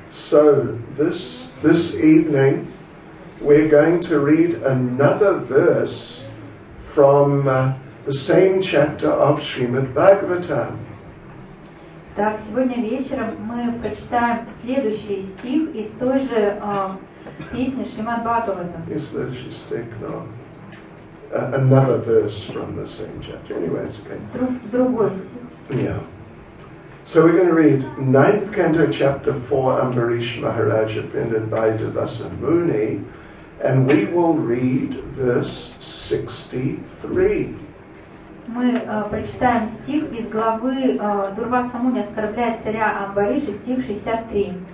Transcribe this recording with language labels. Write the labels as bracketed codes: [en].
[en] So this evening we're going to read another verse from the same chapter of Srimad Bhagavatam. [ru] Так сегодня вечером мы прочитаем следующий стих из той же песни Шримад Бхагаватам. [en] Is this a stick? No. Another verse from the same chapter. Anyway, it's okay. [ru] Другой стих. [en] Yeah. So we're going to read 9th Canto, Chapter 4, Ambarish Maharaj offended by Devasa Muni, and we will read verse 63. [ru] Мы прочитаем стих из главы Дурваса Муни оскорбляет царя Амбариша, стих 63.